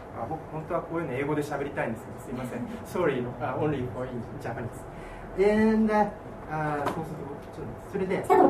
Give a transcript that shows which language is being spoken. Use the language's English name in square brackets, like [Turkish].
[Japanese] 僕本当はこういうの英語で喋りたいんですけど、すいません。 [English] Sorry, only for in Japanese. [Japanese] And, そうすると、ちょっと、それで。